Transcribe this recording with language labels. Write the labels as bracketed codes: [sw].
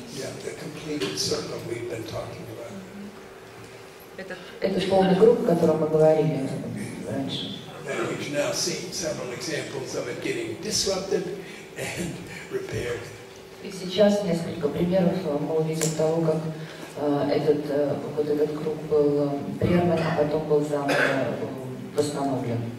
[en] Yeah, the completed circle we've been talking about. [ru] Это полный круг, о котором мы говорили раньше. [en] And we've now seen several examples of it getting disrupted and repaired. [ru] И сейчас несколько примеров мы увидим того, как вот этот круг был прерван, а потом был восстановлен.